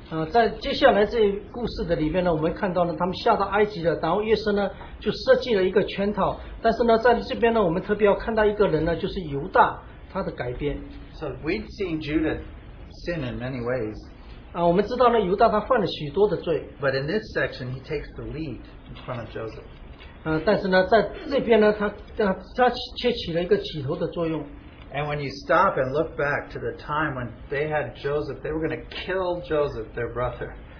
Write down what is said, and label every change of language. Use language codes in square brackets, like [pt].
[zh] 在接下来这故事的里面呢，我们看到呢，他们下到埃及了，然后约瑟呢就设计了一个圈套。但是呢，在这边呢，我们特别要看到一个人呢，就是犹大，他的改变。 [en] So we've seen Judah sin in many ways. [zh] 我们知道呢，犹大他犯了许多的罪。 [en] But in this section, he takes the lead in front of Joseph. [zh] 但是呢，在这边呢，他却起了一个起头的作用。 [en] And when you stop and look back to the time when they had Joseph, they were going to kill Joseph, their brother.